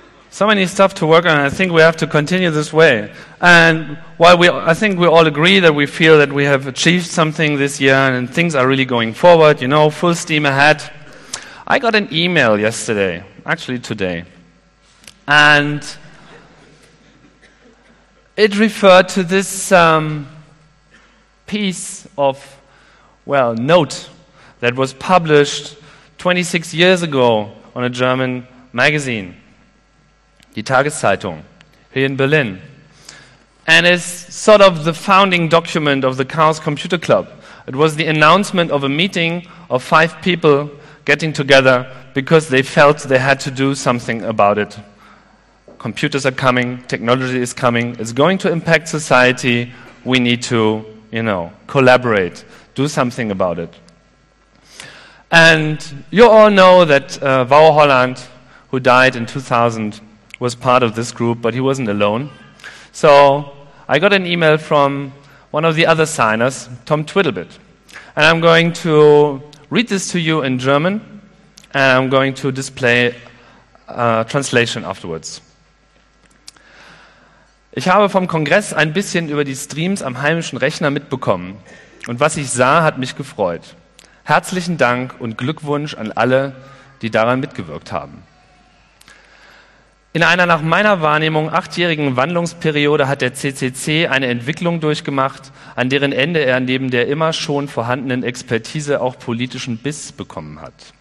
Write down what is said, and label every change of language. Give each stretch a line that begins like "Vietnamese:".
English: So many stuff to work on, and I think we have to continue this way. And while I think we all agree that we feel that we have achieved something this year and things are really going forward, you know, full steam ahead, I got an email yesterday, actually today, and it referred to this piece of, well, note that was published 26 years ago on a German magazine. Die Tageszeitung, here in Berlin. And it's sort of the founding document of the Chaos Computer Club. It was the announcement of a meeting of five people getting together because they felt they had to do something about it. Computers are coming, technology is coming, it's going to impact society, we need to, you know, collaborate, do something about it. And you all know that Wouter Holland, who died in 2000, was part of this group, but he wasn't alone. So I got an email from one of the other signers, Tom Twiddlebit. And I'm going to read this to you in German, and I'm going to display a translation afterwards.
German: Ich habe vom Kongress ein bisschen über die Streams am heimischen Rechner mitbekommen. Und was ich sah, hat mich gefreut. Herzlichen Dank und Glückwunsch an alle, die daran mitgewirkt haben. In einer nach meiner Wahrnehmung achtjährigen Wandlungsperiode hat der CCC eine Entwicklung durchgemacht, an deren Ende er neben der immer schon vorhandenen Expertise auch politischen Biss bekommen hat.